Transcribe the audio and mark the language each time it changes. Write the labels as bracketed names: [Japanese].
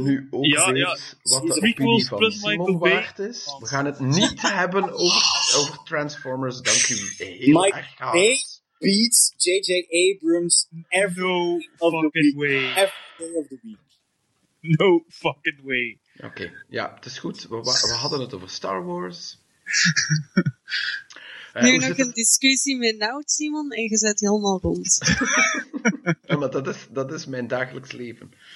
[Dutch] Nu ook wat de opinie van Simon waard is. We gaan het niet hebben over Transformers, dank u heel erg. [English] Mike Bay beats J.J. Abrams every day of the week. No fucking way. [Dutch] Oké, het is goed. We hadden het over Star Wars. Nu nog een discussie met Nout, Simon, en je zet helemaal rond. Ja, maar dat is mijn dagelijks leven.